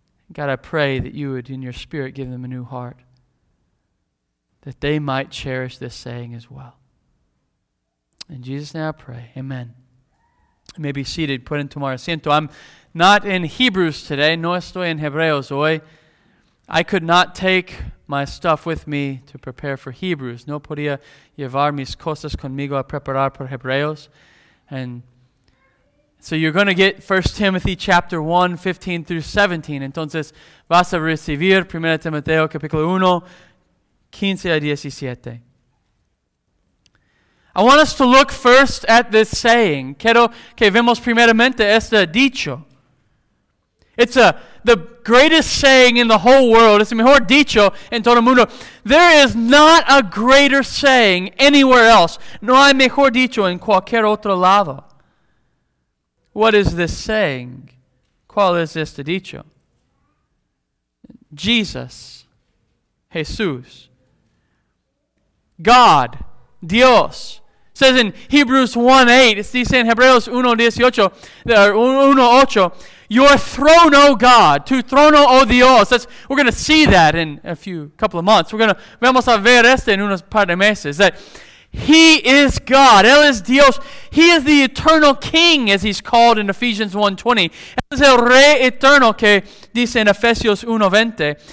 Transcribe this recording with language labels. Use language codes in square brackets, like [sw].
[en] God, I pray that you would, in your spirit, give them a new heart, that they might cherish this saying as well. In Jesus' name I pray, amen. You may be seated, put into my asiento. I'm not in Hebrews today, [es] no estoy en Hebreos hoy. [en] I could not take my stuff with me to prepare for Hebrews. [es] No podía llevar mis cosas conmigo a preparar por Hebreos. [en] And so you're going to get 1 Timothy chapter 1, 15 through 17. [es] Entonces vas a recibir 1 Timoteo capítulo 1, 15 a 17. [en] I want us to look first at this saying. [es] Quiero que vemos primeramente este dicho. [en] It's the greatest saying in the whole world. [es] Es el mejor dicho en todo el mundo. [en] There is not a greater saying anywhere else. [es] No hay mejor dicho en cualquier otro lado. [en] What is this saying? [es] ¿Cuál es este dicho? [en] Jesus. Jesús. God. [es] Dios. [en] It says in Hebrews 1:8, it says in Hebreos 1:8, your throne, O God, [es] tu trono, O Dios. [en] That's, we're going to see that in a few couple of months. [es] Vamos a ver este en unos par de meses. [en] That he is God. [es] Él es Dios. [en] He is the eternal King, as he's called in Ephesians 1:20. [es] Él es el Rey eterno, que dice en Efesios 1:20.